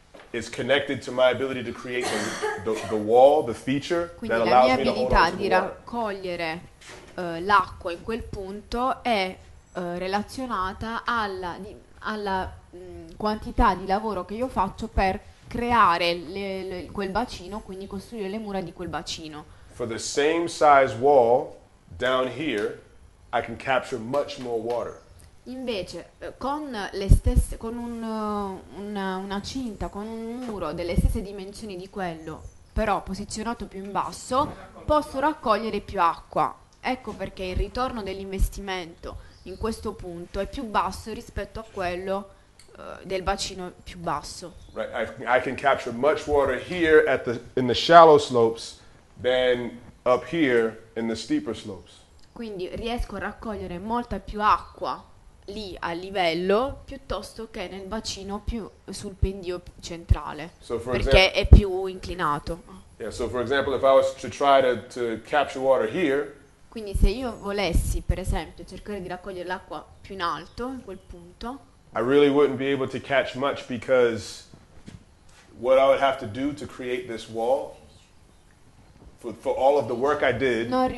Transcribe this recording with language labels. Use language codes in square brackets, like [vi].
[en] is connected to my ability to create the wall, the feature [it] quindi [en] that allows me to hold on to the water. [it] Quindi la mia abilità di raccogliere l'acqua in quel punto è relazionata alla quantità di lavoro che io faccio per creare quel bacino, quindi costruire le mura di quel bacino. [en] For the same size wall down here, I can capture much more water. [it] Invece, con le stesse, con una cinta, con un muro delle stesse dimensioni di quello, però posizionato più in basso, posso raccogliere più acqua. Ecco perché il ritorno dell'investimento in questo punto è più basso rispetto a quello del bacino più basso. [en] Right, I can capture much water here at the in the shallow slopes than up here in the steeper slopes. [it] Quindi riesco a raccogliere molta più acqua lì a livello piuttosto che nel bacino più sul pendio centrale, [en] so for [it] perché [en] example, [it] è più inclinato. [en] Yeah, so for example, if I was to try to capture water here. [it] Quindi se io volessi, per esempio, cercare di raccogliere l'acqua più in alto, in quel punto, [en] I really wouldn't be able to catch much because what I would have to do to create this wall for all of the work I did,